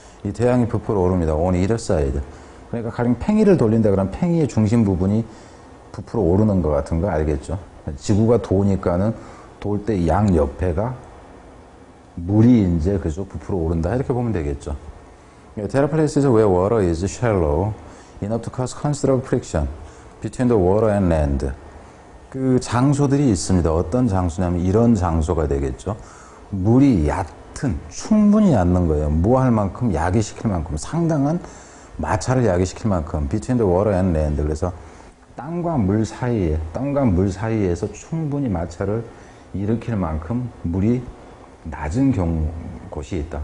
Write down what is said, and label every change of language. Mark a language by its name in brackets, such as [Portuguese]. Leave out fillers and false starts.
[Korean] 이 태양이 부풀어 오릅니다. [English] On either side. [Korean] 그러니까 가령 팽이를 돌린다 그러면 팽이의 중심 부분이 부풀어 오르는 것 같은 거 알겠죠? 지구가 도니까는 돌 때 양 옆에가 물이 이제 그쪽 부풀어 오른다 이렇게 보면 되겠죠. [English] There are places where water is shallow enough to cause considerable friction between the water and land. [Korean] 그 장소들이 있습니다. 어떤 장소냐면 이런 장소가 되겠죠. 물이 얕은, 충분히 얕는 거예요. 뭐 할 만큼, 야기시킬 만큼, 상당한 마찰을 야기시킬 만큼 [English] between the water and land. [Korean] 그래서 땅과 물 사이에, 땅과 물 사이에서 충분히 마찰을 일으킬 만큼 물이 낮은 경우, 곳이 있다.